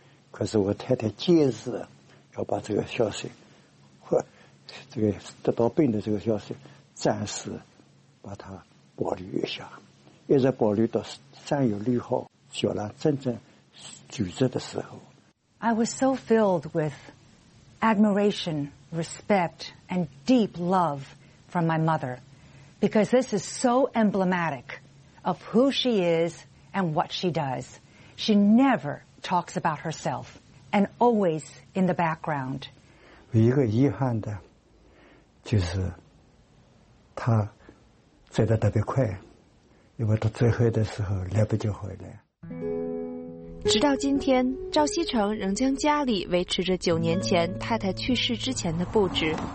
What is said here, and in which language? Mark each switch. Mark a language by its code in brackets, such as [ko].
[zh] 可是我太太坚持要把这个消息，或这个得到病的这个消息，暂时把它保留一下，一直保留到三月六号小兰真正就职的时候。 [en] I was so filled with admiration, respect, and deep love from my mother. Because this is so emblematic of who she is and what she does. She never talks about herself and always in the background. [zh] 一个遗憾的就是她走得特别快，因为她最后的时候来不及回来。直到今天，赵锡成仍将家里维持着九年前太太去世之前的布置。